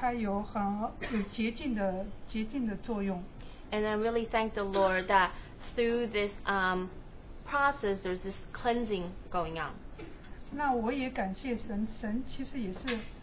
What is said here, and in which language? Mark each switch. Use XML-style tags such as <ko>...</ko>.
<zh>所以真的是感谢神在这样的过程中，它有很洁净的作用。</zh> <en>And I really thank the Lord that through this process, there's this cleansing going on.</en> <zh>那我也感谢神，神其实也是。</zh>